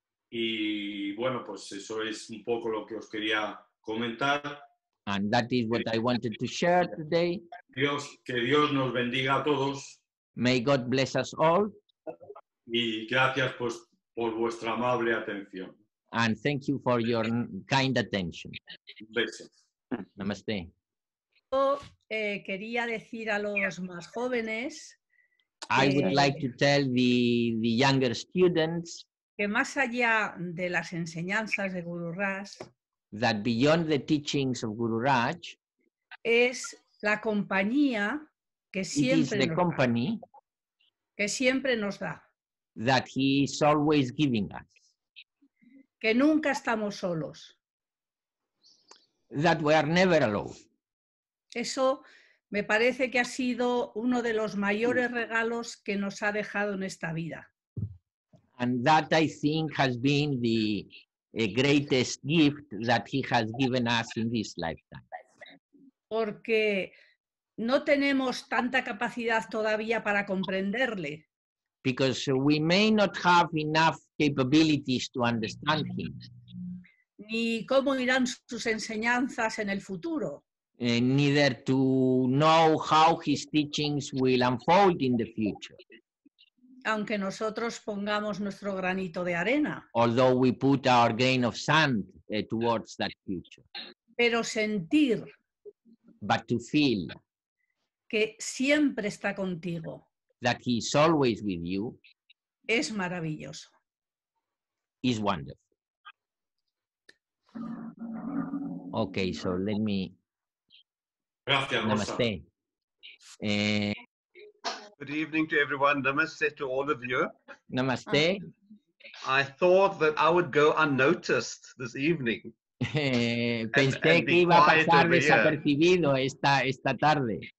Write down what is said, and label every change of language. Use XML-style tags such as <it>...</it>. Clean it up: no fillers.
<es>Y bueno, pues eso es un poco lo que os quería comentar.</es> <en>And that is what I wanted to share today.</en> <es>Dios, que Dios nos bendiga a todos.</es> <en>May God bless us all.</en> <es>Y gracias pues, por vuestra amable atención.</es> <en>And thank you for your kind attention.</en> <es>Besos.</es> <sa>Namaste.</sa> <es>Yo quería decir a los más jóvenes.</es> <en>I would like to tell the younger students.</en> <es>Que más allá de las enseñanzas de Guru Raj.</es> <en>That beyond the teachings of Guru Raj.</en> <es>Es la compañía que siempre nos da.</es> <en>It is the company.</en> <es>Que siempre nos da.</es> <en>That he is always giving us.</en> <es>Que nunca estamos solos.</es> <en>That we are never alone.</en> <es>Eso me parece que ha sido uno de los mayores regalos que nos ha dejado en esta vida.</es> <en>And that I think has been the greatest gift that he has given us in this lifetime.</en> <es>Porque no tenemos tanta capacidad todavía para comprenderle.</es> <en>Because we may not have enough capabilities to understand him.</en> <es>ni cómo irán sus enseñanzas en el futuro.</es> <en>Neither to know how his teachings will unfold in the future.</en> <es>Aunque nosotros pongamos nuestro granito de arena.</es> <en>Although we put our grain of sand towards that future.</en> <es>Pero sentir.</es> <en>But to feel.</en> <es>Que siempre está contigo.</es> <en>That he is always with you.</en> <es>Es maravilloso.</es> <en>Is wonderful. Okay, so let me.</en> <es>Gracias,</es> <sa>Namaste.</sa> <en>Good evening to everyone. Namaste to all of you.</en> <sa>Namaste.</sa> <en>I thought that I would go unnoticed this evening.</en> <es>Pensé que iba a pasar desapercibido esta tarde.</es>